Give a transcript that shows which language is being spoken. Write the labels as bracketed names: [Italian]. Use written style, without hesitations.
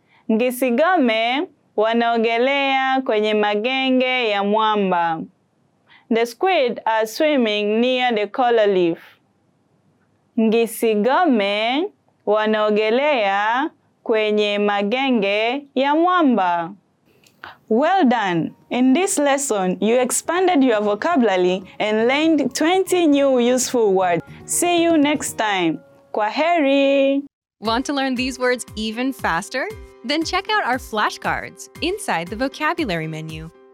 [Swahili] Ngisigome wanaogelea kwenye magenge ya mwamba. [English] The squid are swimming near the coral reef. [Swahili] Ngisigome wanaogelea kwenye magenge ya mwamba. [English] Well done! In this lesson, you expanded your vocabulary and learned 20 new useful words. See you next time. Kwaheri! Want to learn these words even faster? Then check out our flashcards inside the vocabulary menu.